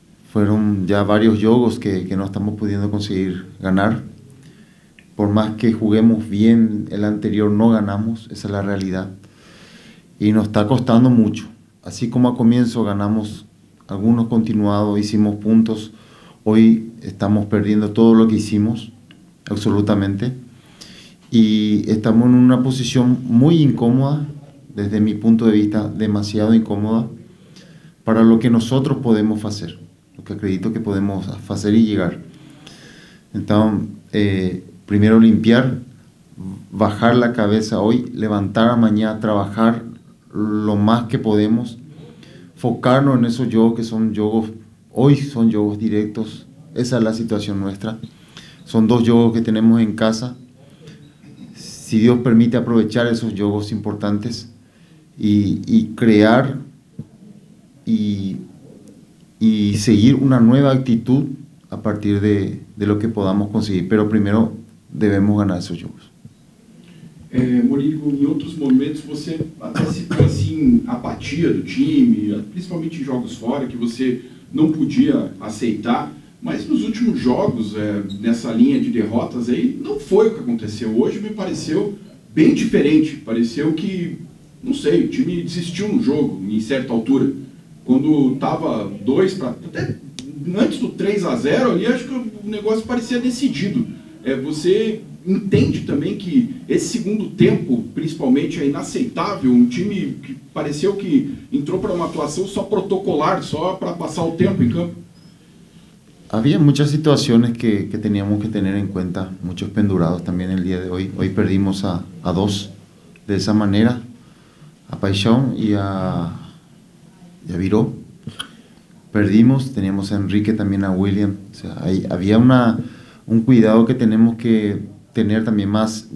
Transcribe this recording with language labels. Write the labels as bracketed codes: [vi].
[pt] Foram já vários jogos que não estamos podendo conseguir ganhar. Por mais que [es] juguemos [pt] bem, o anterior não [es] ganamos. [pt] Essa é a realidade. E nos está [es] costando [pt] muito. [es] Así como a comienzo ganamos algunos continuados, hicimos puntos, hoy estamos perdiendo todo lo que hicimos, absolutamente. Y estamos en una posición muy incómoda, desde mi punto de vista, demasiado incómoda, para lo que nosotros podemos hacer, lo que acredito que podemos hacer y llegar. Entonces, primero limpiar, bajar la cabeza hoy, levantar a mañana, trabajar lo más que podemos, enfocarnos en esos juegos que son juegos, hoy son juegos directos. Esa es la situación nuestra. Son dos juegos que tenemos en casa. Si Dios permite, aprovechar esos juegos importantes y crear y seguir una nueva actitud a partir de lo que podamos conseguir. Pero primero debemos ganar esos juegos. [pt] Morigo, em outros momentos você até citou assim, apatia do time, principalmente em jogos fora, que você não podia aceitar. Mas nos últimos jogos, nessa linha de derrotas aí, não foi o que aconteceu. Hoje me pareceu bem diferente. Pareceu que, não sei, o time desistiu no jogo em certa altura. Quando estava 2 para... até antes do 3-0 ali, acho que o negócio parecia decidido. Você entende também que esse segundo tempo, principalmente, é inaceitável? Um time que pareceu que entrou para uma atuação só protocolar, só para passar o tempo em campo. [es] Había muchas situaciones que teníamos que tener en cuenta, muchos [pt] pendurados [es] también el día de hoy. Hoy perdimos a dos de esa manera, a Paixón y a Viró. Perdimos, teníamos a Enrique, también a William. O sea, había un cuidado que tenemos que tener también más.